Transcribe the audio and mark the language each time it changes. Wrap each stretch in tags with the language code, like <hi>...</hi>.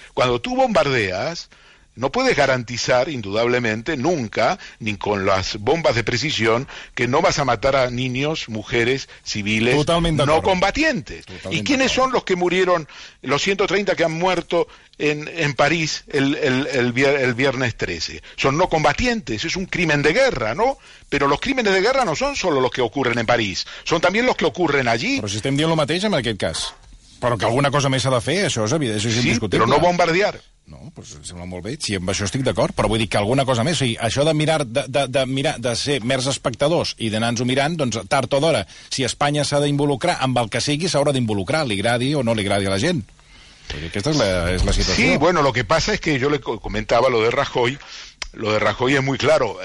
<es>Cuando tú bombardeas, no puedes garantizar, indudablemente, nunca, ni con las bombas de precisión, que no vas a matar a niños, mujeres, civiles, no combatientes. Totalmente. ¿Y quiénes son los que murieron, los 130 que han muerto en París el viernes 13? Son no combatientes, es un crimen de guerra, ¿no? Pero los crímenes de guerra no son solo los que ocurren en París, son también los que ocurren allí.</es> <ca>Pero si estem dient lo mateix en aquest cas. Però que alguna cosa més s'ha de fer, això és evident, això és indiscutible. Sí, però no bombardear. No, pues sembla molt bé, si amb això estic d'acord, però vull dir que alguna cosa més, o sigui, això de mirar, de ser mers espectadors i d'anar-nos ho mirant, doncs tard o d'hora, si Espanya s'ha d'involucrar amb el que sigui, s'haurà d'involucrar, li agradi o no li agradi a la gent.</ca> <es>Porque esta es la situación. Sí, bueno, lo que pasa es que yo le comentaba lo de Rajoy. Lo de Rajoy es muy claro.</es>